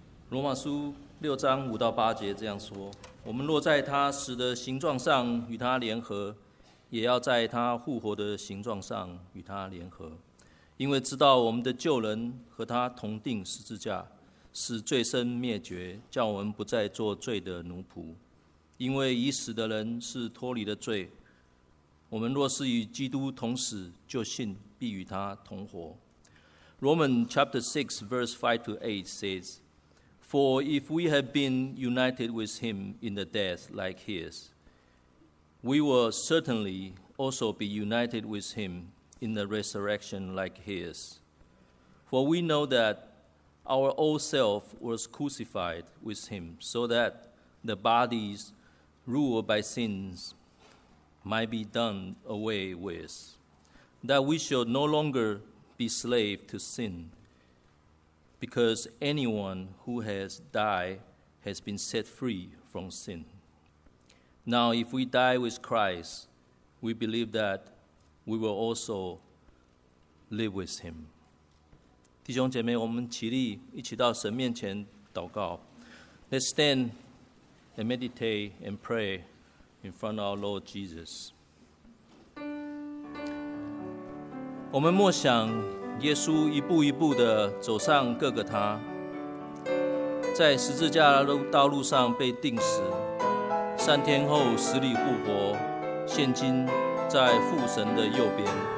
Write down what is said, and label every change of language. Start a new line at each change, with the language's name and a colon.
Chinese: 罗马书六章五到八节这样说：我们若在他死的形状上与他联合，也要在他复活的形状上与他联合，因为知道我们的旧人和他同钉十字架，使罪身灭绝，叫我们不再做罪的奴仆。因为已死的人是脱离了罪，我们若是与基督同死，就信必与他同活。
English: Romans chapter 6 verse 5 to 8 says,For if we have been united with him in the death like his, we will certainly also be united with him in the resurrection like his. For we know that our old self was crucified with him so that the bodies ruled by sins might be done away with, that we should no longer be slave to sin. Because anyone who has died has been set free from sin. Now, if we die with Christ, we believe that we will also live with him.
Chinese: 弟兄姐妹，我们起立，一起到神面前祷告。
English: Let's stand and meditate and pray in front of our Lord Jesus.
Chinese: 我们默想耶稣一步一步地走上各个他，在十字架的道路上被钉死，三天后死里复活，现今在父神的右边。